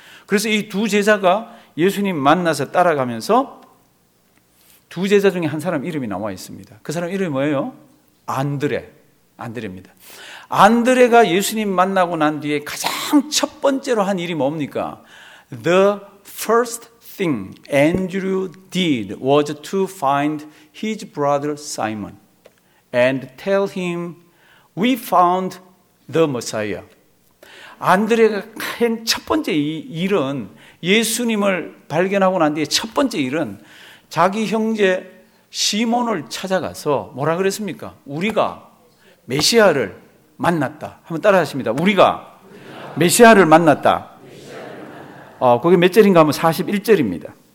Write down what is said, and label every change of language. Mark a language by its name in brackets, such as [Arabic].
[Korean] 그래서 이 두 제자가 예수님 만나서 따라가면서 두 제자 중에 한 사람 이름이 나와 있습니다. 그 사람 이름이 뭐예요? 안드레. 안드레입니다. 안드레가 예수님 만나고 난 뒤에 가장 첫 번째로 한 일이 뭡니까? [English] The first thing Andrew did was to find his brother Simon and tell him We found the Messiah. [Korean] 안드레가 한 첫 번째 일은 예수님을 발견하고 난 뒤에 첫 번째 일은 자기 형제 시몬을 찾아가서 뭐라 그랬습니까? 우리가 메시아를 만났다. 한번 따라 하십니다. 우리가 메시아를 만났다. 그게 몇 절인가 하면 41절입니다.